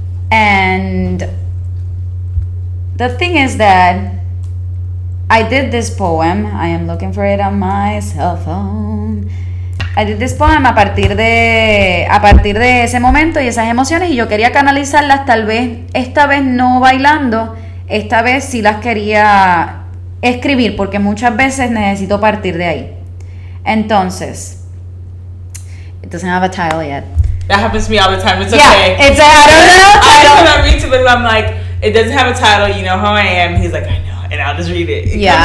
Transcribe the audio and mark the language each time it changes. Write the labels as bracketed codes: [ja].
[en] And the thing is that I did this poem. I am looking for it on my cell phone. I did this poem [es] a partir de ese momento y esas emociones, y yo quería canalizarlas, tal vez esta vez no bailando, esta vez sí las quería escribir, porque muchas veces necesito partir de ahí. [en] Entonces, it doesn't have a title yet. That happens to me all the time. It's okay. Yeah, it's a, I don't know. I'm just gonna read to it. But I'm like, it doesn't have a title. You know how I am. He's like, I know, and I'll just read it.